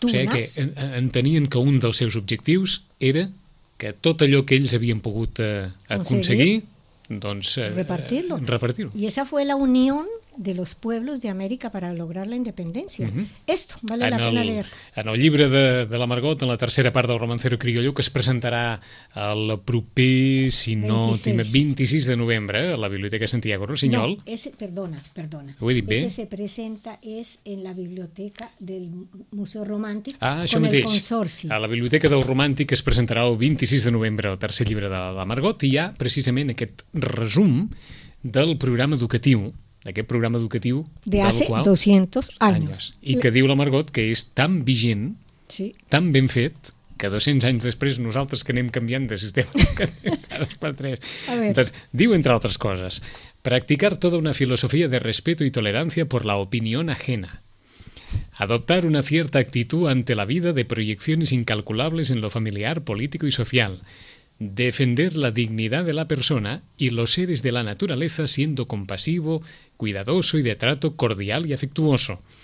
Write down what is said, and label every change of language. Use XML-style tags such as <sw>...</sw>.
<ca>O sigui que entenien que un dels seus objectius era que tot allò que ells havien pogut aconseguir, doncs repartir-lo. I</ca> <es>esa fue la unió de los pueblos de América para lograr la independencia. Uh-huh. Esto vale la pena leer.</es> <ca>En el llibre de la Margot, en la tercera part del Romancero Criollo, que es presentarà el proper, si no, 26 de novembre, a la Biblioteca Santiago Rossinyol.</ca> <es>No, ese, perdona.</es> <ca>Ho he dit bé?</ca> <es>Ese se presenta es en la Biblioteca del Museo Romàntic,</es> <ca>això</ca> <es>con</es> <ca>mateix. El Consorci. A la Biblioteca del Romàntic es presentarà el 26 de novembre el tercer llibre de la Margot, i hi ha precisament aquest resum del programa educatiu, d'aquest programa educatiu</ca> <es>de hace 200 anys.</es> <ca>I que diu la Margot que és tan vigent, sí, tan ben fet, que 200 anys després nosaltres que anem canviant de sistema educatiu per tres.</ca> <es>Entonces,</es> <ca>diu, entre altres coses,</ca> <es>practicar toda una filosofía de respeto y tolerancia por la opinión ajena. Adoptar una cierta actitud ante la vida de proyecciones incalculables en lo familiar, político y social. Defender la dignidad de la persona y los seres de la naturaleza siendo compasivo, cuidadoso y de trato cordial y afectuoso.</es>